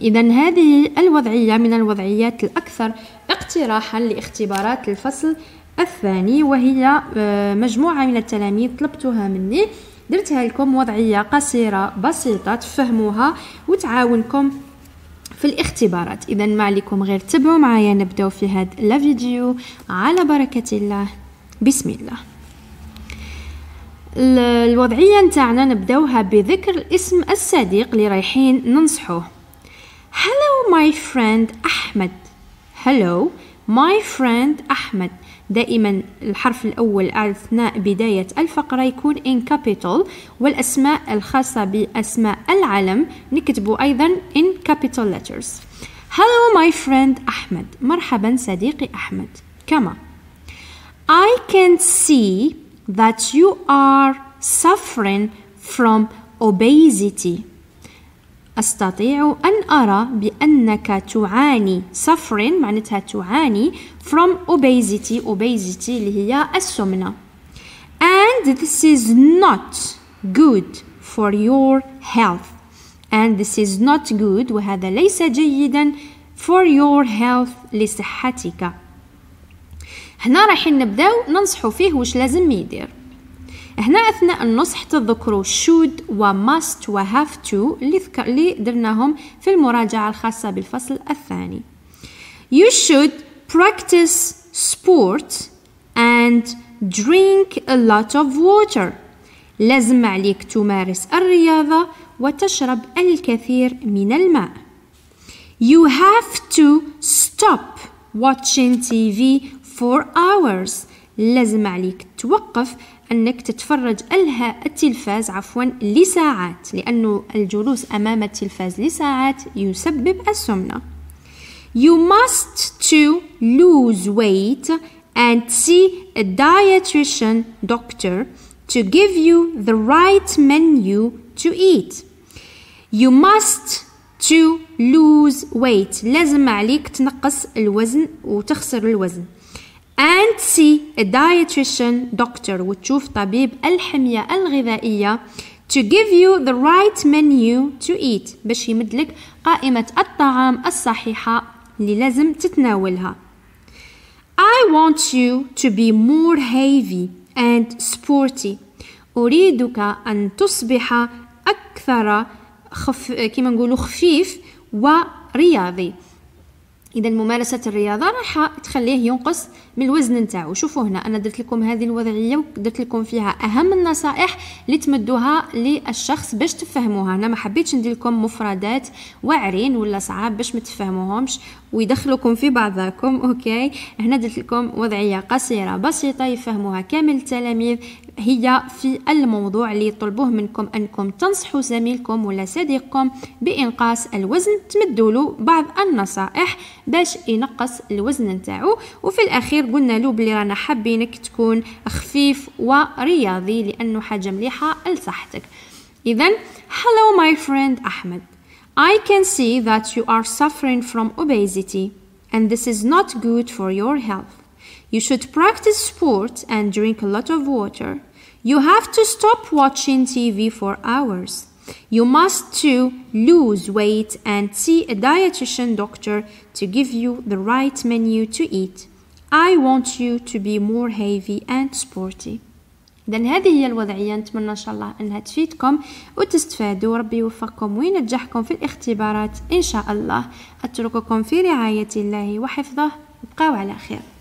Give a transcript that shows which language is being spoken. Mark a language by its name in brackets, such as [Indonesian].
[Arabic] إذن هذه الوضعية من الوضعيات الأكثر اقتراحا لاختبارات الفصل الثاني، وهي مجموعة من التلاميذ طلبتها مني، درتها لكم وضعية قصيرة بسيطة تفهموها وتعاونكم في الاختبارات. إذا ما عليكم غير تبعوا معايا، نبدأ في هذا الفيديو على بركة الله. بسم الله. الوضعية نتاعنا نبدأها بذكر اسم الصديق اللي رايحين ننصحه. [English] Hello my friend Ahmed. Hello my friend Ahmed. [Arabic] دائما الحرف الأول أثناء بداية الفقرة يكون [English] in capital، [Arabic] والأسماء الخاصة بأسماء العلم نكتبه أيضا [English] in capital letters. Hello my friend Ahmed. [Arabic] مرحبا صديقي أحمد. [English] كما I can see that you are suffering from obesity. [Arabic] أستطيع أن أرى بأنك تعاني، suffering معناتها تعاني، [English] from obesity، [Arabic] obesity اللي هي السمنة. [English] And this is not good for your health. And this is not good، [Arabic] وهذا ليس جيدا، [English] for your health، [Arabic] لصحتك. هنا راح نبدأ ننصح فيه وش لازم يدير. هنا أثناء النصح تذكروا should و must و have to اللي درناهم في المراجعة الخاصة بالفصل الثاني. [English] You should practice sport and drink a lot of water. [Arabic] لازم عليك تمارس الرياضة وتشرب الكثير من الماء. [English] You have to stop watching TV for hours. [Arabic] لازم عليك توقف أنك تتفرج التلفاز عفوا لساعات، لأن الجلوس أمام التلفاز لساعات يسبب السمنة. [English] You must to lose weight and see a dietitian doctor to give you the right menu to eat. You must to lose weight. [Arabic] لازم عليك تنقص الوزن وتخسر الوزن. [English] And see a dietitian doctor. [Arabic] وتشوف طبيب الحمية الغذائية [English] to give you the right menu to eat. [Arabic] باش يمدلك قائمة الطعام الصحيحة اللي لازم تتناولها. [English] I want you to be more heavy and sporty. [Arabic] أريدك أن تصبح أكثر كما نقوله خفيف ورياضي. إذا ممارسة الرياضة راح تخليه ينقص من الوزن نتاعو. شوفوا هنا أنا درت لكم هذه الوضعية ودرت لكم فيها أهم النصائح اللي تمدوها للشخص باش تفهموها. أنا ما حبيتش ندير لكم مفردات وعرين ولا صعاب باش ما تفهموهمش ويدخلكم في بعضكم. أوكي، هنا درت لكم وضعية قصيرة بسيطة يفهموها كامل التلاميذ، هي في الموضوع اللي يطلبوه منكم أنكم تنصحوا زميلكم ولا صديقكم بإنقاص الوزن، تمدوا له بعض النصائح باش ينقص الوزن نتاعو. وفي الأخير قلنا له بلي رانا حابينك تكون خفيف ورياضي لأنه حاجة مليحة لصحتك. [English] إذن Hello my friend Ahmed. I can see that you are suffering from obesity and this is not good for your health. You should practice sport and drink a lot of water. You have to stop watching TV for hours. You must to lose weight and see a dietitian doctor to give you the right menu to eat. I want you to be more heavy and sporty. [Arabic] إذن هذه هي الوضعية، نتمنى إن شاء الله أنها تفيدكم وتستفادوا، وربي يوفقكم وينجحكم في الاختبارات إن شاء الله. أترككم في رعاية الله وحفظه، ابقوا على خير.